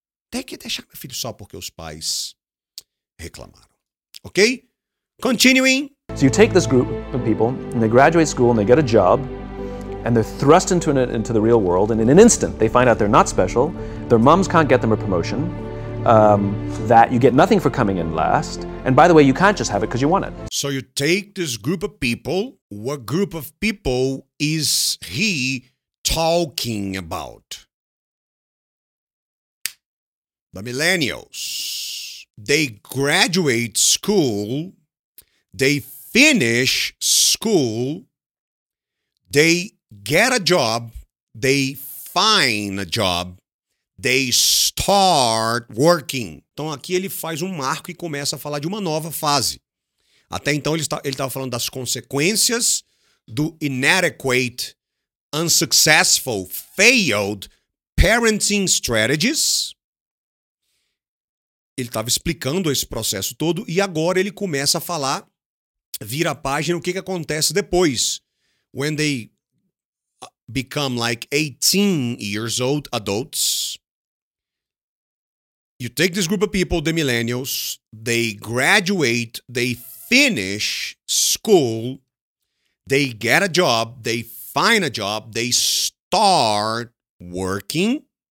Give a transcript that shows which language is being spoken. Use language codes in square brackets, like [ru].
[pt] Tem que deixar meu filho só porque os pais reclamaram. [en] Ok? Continuing. So you take this group of people, and they graduate school, and they get a job, and they're thrust into the real world, and in an instant, they find out they're not special, their moms can't get them a promotion, that you get nothing for coming in last, and by the way, you can't just have it because you want it. So you take this group of people. What group of people is he talking about? The millennials. They graduate school, they finish school, they get a job, they find a job, they start working. [pt] Então aqui ele faz um marco e começa a falar de uma nova fase. Até então ele estava falando das consequências do [en] inadequate, unsuccessful, failed parenting strategies. [pt] Ele estava explicando esse processo todo e agora ele começa a falar, vira a página, o que que acontece depois. [en] When they become like 18 years old adults, you take this group of people, the millennials, they graduate, they finish school, they get a job, they find a job, they start working.